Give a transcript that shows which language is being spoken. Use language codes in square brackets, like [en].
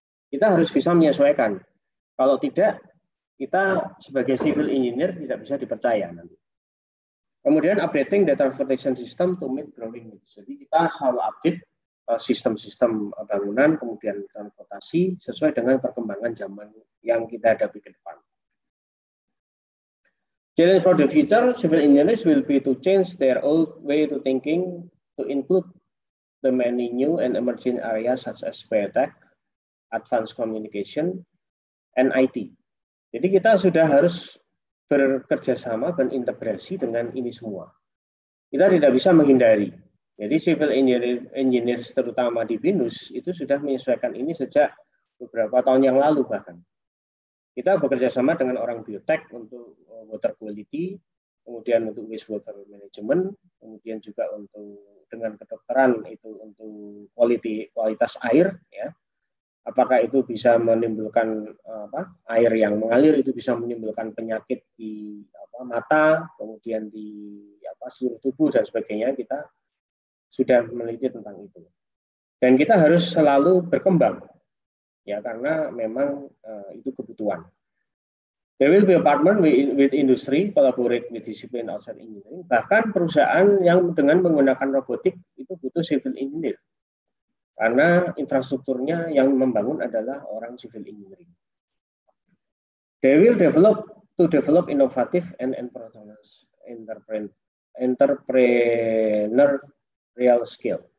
[id] Kita harus bisa menyesuaikan. Kalau tidak, kita sebagai civil engineer tidak bisa dipercaya nanti. Kemudian [en] updating the transportation system to meet growing needs. [id] Jadi kita selalu update sistem-sistem bangunan, kemudian transportasi sesuai dengan perkembangan zaman yang kita hadapi ke depan. [en] Challenge for the future, civil engineers will be to change their old way to thinking to include the many new and emerging areas such as biotech, advanced communication, and IT. [id] Jadi kita sudah harus bekerja sama dan integrasi dengan ini semua. Kita tidak bisa menghindari. Jadi civil engineers terutama di BINUS itu sudah menyesuaikan ini sejak beberapa tahun yang lalu bahkan. Kita bekerja sama dengan orang biotech untuk water quality, kemudian untuk wastewater management, kemudian juga untuk dengan kedokteran itu untuk kualitas air, ya. Apakah itu bisa menimbulkan air yang mengalir itu bisa menimbulkan penyakit di mata, kemudian di seluruh tubuh dan sebagainya, kita sudah meneliti tentang itu. Dan kita harus selalu berkembang, ya, karena memang itu kebutuhan. [en] There will be a partner with industry, collaborate with discipline outside engineering. [id] Bahkan perusahaan yang dengan menggunakan robotik itu butuh civil engineer. Karena infrastrukturnya yang membangun adalah orang civil engineering. [en] They will develop innovative and entrepreneurial skill.